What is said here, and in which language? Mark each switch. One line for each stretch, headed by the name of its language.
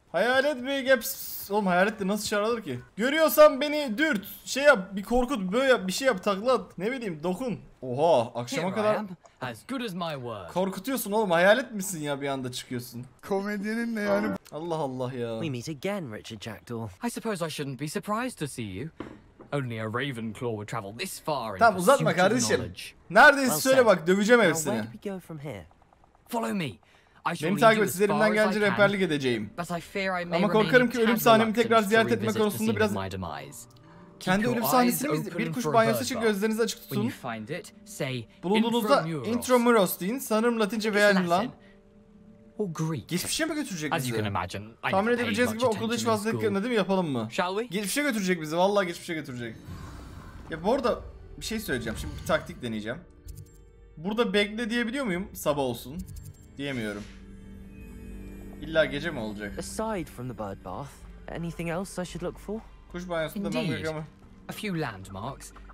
Turkish: Hayalet Bey Gaps. Oğlum Hayalet de nasıl çağırılır ki? Görüyorsan beni dürt. Şey yap bir korkut böyle yap, bir şey yap takla at. Ne bileyim dokun. Oha akşama kadar. Korkutuyorsun oğlum hayalet misin ya bir anda çıkıyorsun. Komedyenin ne yani? Allah Allah ya.
English: We meet again Richard Jackdaw. I suppose I shouldn't be surprised to see you. Only a Ravenclaw would travel this far.
Turkish: Tamam uzatma kardeşim. Neredeyse söyle bak döveceğim hepsini.
English: Where do we go from here? Follow me.
Turkish: Beni takip et, siz elimden gelince rehberlik edeceğim. Ama korkarım ki ölüm sahnemi tekrar ziyaret etme konusunda biraz... Kendi ölüm sahnesini mi? Bir kuş banyosu için gözlerinizi açık tutun. Bulunduğunuzda intramuros deyin. Sanırım Latince veya lan. Geçmişe mi götürecek bizi? Tahmin edebileceğiniz gibi okulda hiç fazla dikkatini değil mi? Yapalım mı? Geçmişe götürecek bizi, vallahi geçmişe götürecek. Ya bu arada bir şey söyleyeceğim, şimdi bir taktik deneyeceğim. Burada bekle diyebiliyor muyum? Sabah olsun. Diyemiyorum. İlla gece mi olacak?
English: Aside from the bird bath, anything else I should look for?
Turkish: Kuş banyosunda ben bakıyorum.
English: A few landmarks.